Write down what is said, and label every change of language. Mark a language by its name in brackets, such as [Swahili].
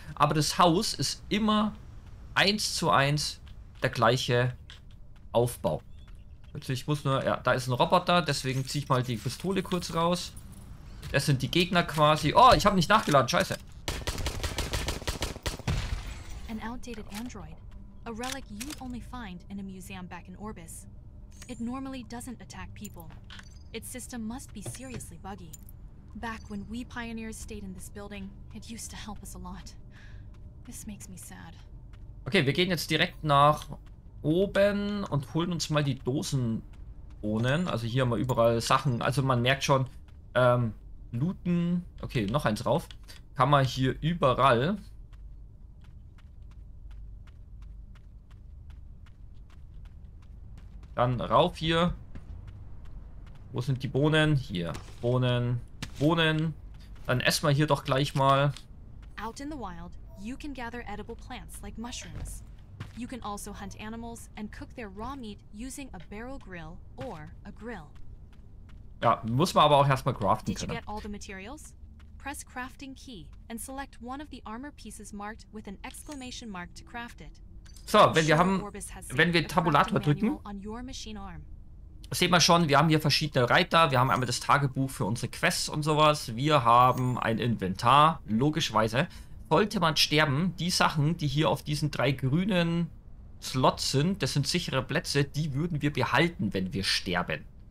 [German] Aber das Haus ist immer 1:1 der gleiche Aufbau. Ich muss nur, ja, da ist ein Roboter, deswegen ziehe ich mal die Pistole kurz raus. Das sind die Gegner quasi. Oh, ich habe nicht nachgeladen, scheiße. [English] An outdated Android. A relic you only find in a museum back in Orbis. It normally doesn't attack people. Its system must be seriously buggy. Back when we pioneers stayed in this building, it used to help us a lot. This makes me sad. [German] Okay, wir gehen jetzt direkt nach oben und holen uns mal die Dosenbohnen. Also hier haben wir überall Sachen. Also man merkt schon, looten. Okay, noch eins rauf. Kann man hier überall. Dann rauf hier. Wo sind die Bohnen? Hier. Bohnen. Bohnen. Dann essen wir hier doch gleich mal. [English] Out in the wild, you can gather edible plants like mushrooms. You can also hunt animals and cook their raw meat using a barrel grill or a grill. [German] Ja, muss man aber auch erstmal craften können. [English] Did you get all the materials? Press crafting key and select one of the armor pieces marked with an exclamation mark to craft it. [German] So, wenn wir Tabulator drücken, [English] on your machine arm. [German] Sehen wir schon, wir haben hier verschiedene Reiter, wir haben einmal das Tagebuch für unsere Quests und sowas, wir haben ein Inventar, logischerweise. Sollte man sterben, die Sachen, die hier auf diesen drei grünen Slots sind, das sind sichere Plätze, die würden wir behalten, wenn wir sterben.